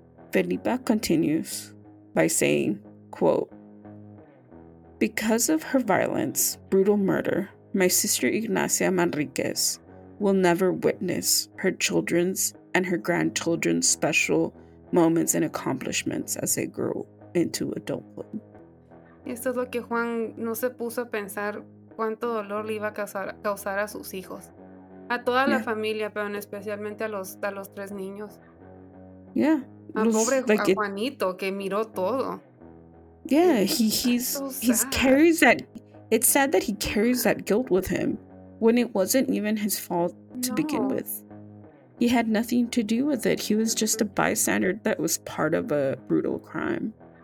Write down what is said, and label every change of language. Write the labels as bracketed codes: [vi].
[en] Felipa continues by saying, quote, because of her violence, brutal murder, my sister Ignacia Manriquez will never witness her children's and her grandchildren's special moments and accomplishments as they grow into adulthood. [es] Esto es lo que Juan no se puso a pensar, cuánto dolor le iba a causar a sus hijos, a toda la familia, pero especialmente a los tres niños. [en] Yeah. [es] Pobre Juanito, que miró todo. [en] Yeah, it's sad that he carries that guilt with him when it wasn't even his fault to begin with. He had nothing to do with it. He was just a bystander that was part of a brutal crime.